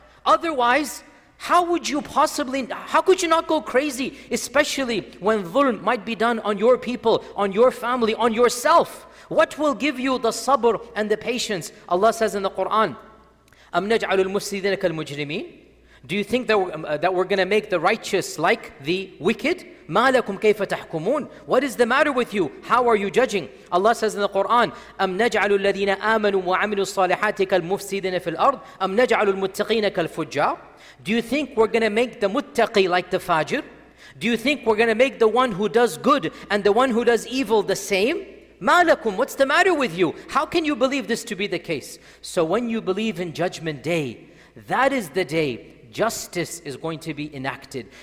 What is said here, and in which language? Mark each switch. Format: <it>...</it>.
<en>Otherwise, how could you not go crazy, especially when dhulm might be done on your people, on your family, on yourself? What will give you the sabr and the patience? Allah says in the Quran,</en> <ar>أَمْ نَجْعَلُ الْمُسْلِدِينَ كَالْمُجْرِمِينَ?</ar> <en>Do you think that we're going to make the righteous like the wicked?</en> <ar>مَا لَكُمْ كَيْفَ تَحْكُمُونَ?</ar> <en>What is the matter with you? How are you judging? Allah says in the Quran,</en> <ar>أَمْ نَجْعَلُ الَّذِينَ آمَنُوا وَعَمِلُوا الصَّالِحَاتِ كَالْمُفْسِدِينَ فِي الْأَرْضِ? أَمْ نَجْعَلُ الْمُتَّقِينَ كَالْفُجَّارِ?</ar> <en>Do you think we're going to make the muttaqi like the fajr? Do you think we're going to make the one who does good and the one who does evil the same? Malakum, what's the matter with you? How can you believe this to be the case? So when you believe in Judgment Day, that is the day justice is going to be enacted.</en>